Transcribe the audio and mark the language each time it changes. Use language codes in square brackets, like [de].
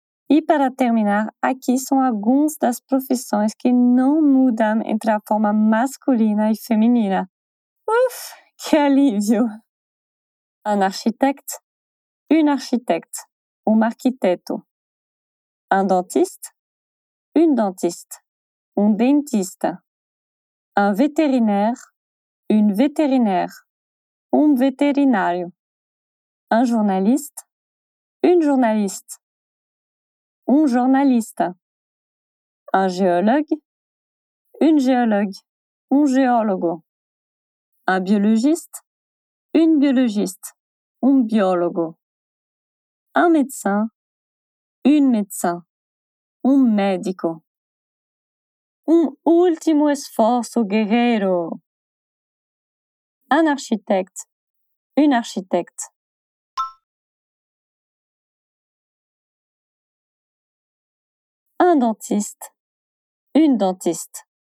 [pt] E para terminar, aqui são algumas das profissões que não mudam entre a forma masculina e feminina. Uf, que alívio! [fr] Un architecte, une architecte. [pt] Um arquiteto. [fr] Un dentiste, une dentiste. [pt] Um dentista. [fr] Un vétérinaire, une vétérinaire. [pt] Um veterinário. [fr] Un journaliste, une journaliste. [pt] Um jornalista. [fr] Un géologue, une géologue. [pt] Um geólogo. [fr] Un biologiste, une biologiste. [pt] Um biólogo. [fr] Un médecin, une médecin, [pt] un médico. Un último esforço, guerreiro. [fr] Un architecte, une architecte. Un dentiste, une dentiste.